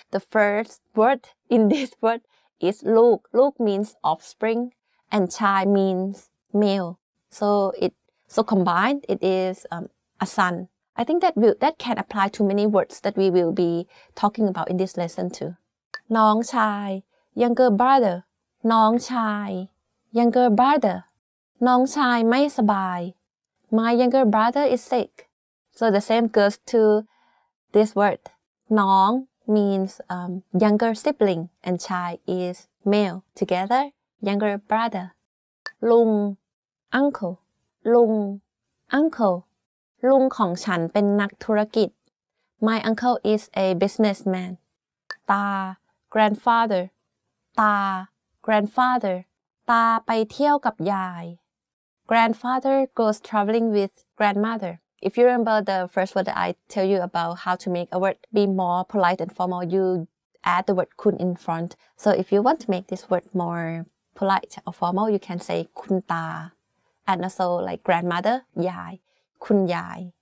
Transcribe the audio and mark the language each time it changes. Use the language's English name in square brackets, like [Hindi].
[English] The first word in this word is ลูก. ลูก means offspring and ชาย means male. So combined, it is a son. I think that can apply to many words that we will be talking about in this lesson too. [Thai] น้องชาย [English] younger brother. [Thai] น้องชาย younger brother. น้องชายไม่สบาย [English] My younger brother is sick. So the same goes to this word. น้อง means younger sibling and chai is male. Together, younger brother. ลุง uncle. ลุง uncle. [Thai] ลุงของฉันเป็นนักธุรกิจ [English] My uncle is a businessman. ตา grandfather. ตา grandfather. [Thai] ตาไปเที่ยวกับยาย [English] Grandfather goes traveling with grandmother. If you remember the first word that I tell you about how to make a word be more polite and formal, you add the word kun in front. So if you want to make this word more polite or formal, you can say kun ta. And also like grandmother, yai, kun yai.